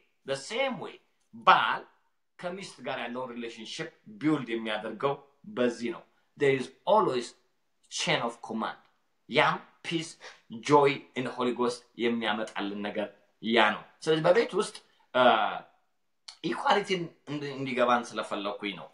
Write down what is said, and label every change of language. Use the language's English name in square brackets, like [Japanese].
[English] The same way [Amharic] ባል ከሚስት ጋር ያለው relationship build የሚያደርገው በዚህ ነው. [English] There is always chain of command. Yeah, peace, joy in the Holy Ghost [Amharic] የሚያመጣልን ነገር ያ ነው. ስለዚህ በቤት ውስጥ equality እንዲገባን ስለፈለኩኝ ነው.